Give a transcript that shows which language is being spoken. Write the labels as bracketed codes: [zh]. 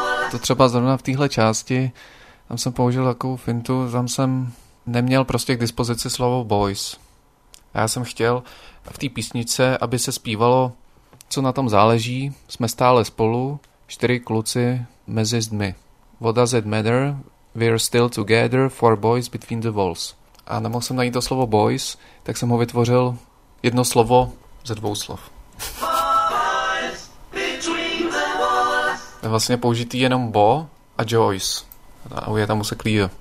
[cs] To třeba zrovna v téhle části, tam jsem použil takovou fintu, tam jsem neměl prostě k dispozici slovo boys. A já jsem chtěl v té písničce, aby se zpívalo, co na tom záleží, jsme stále spolu, čtyři kluci mezi zdmi. [en] What does it matter? We're still together, four boys between the walls. [cs] A nemohl jsem najít to slovo boys, tak jsem ho vytvořil jedno slovo ze dvou slov. Je vlastně použitý jenom bo a joys. A je tam useklý.